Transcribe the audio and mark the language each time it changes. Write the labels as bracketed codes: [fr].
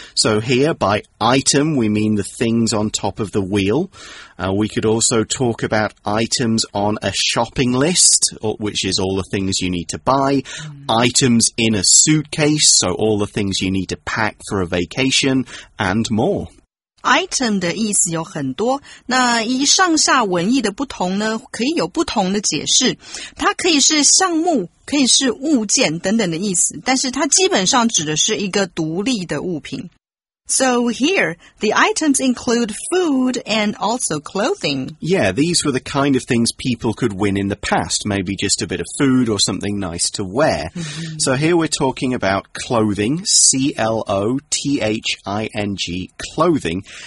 [en] So here, by item, we mean the things on top of the wheel. We could also talk about items on a shopping list, which is all the things you need to buy. Hmm. Items in a suitcase, so all the things you need to pack for a vacation, and more. [zh] Item 的意思有很多，那以上下文意的不同呢，可以有不同的解释。它可以是项目，可以是物件等等的意思，但是它基本上指的是一个独立的物品。 [en] So here, the items include food and also clothing. Yeah, these were the kind of things people could win in the past, maybe just a bit of food or something nice to wear. Mm-hmm. So here we're talking about clothing, C-L-O-T-H-I-N-G, clothing.